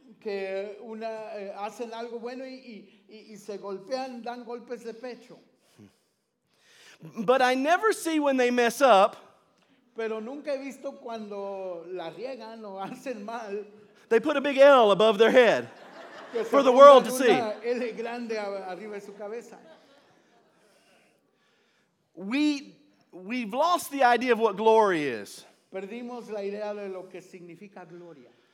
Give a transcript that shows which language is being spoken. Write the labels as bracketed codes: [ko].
[es] que una hacen algo bueno y se golpean, dan golpes de pecho. [en] But I never see when they mess up, [es] pero nunca he visto cuando la riegan o hacen mal, [en] they put a big L above their head for the world to see. We've lost the idea of what glory is. [es] Perdimos la idea de lo que significa gloria.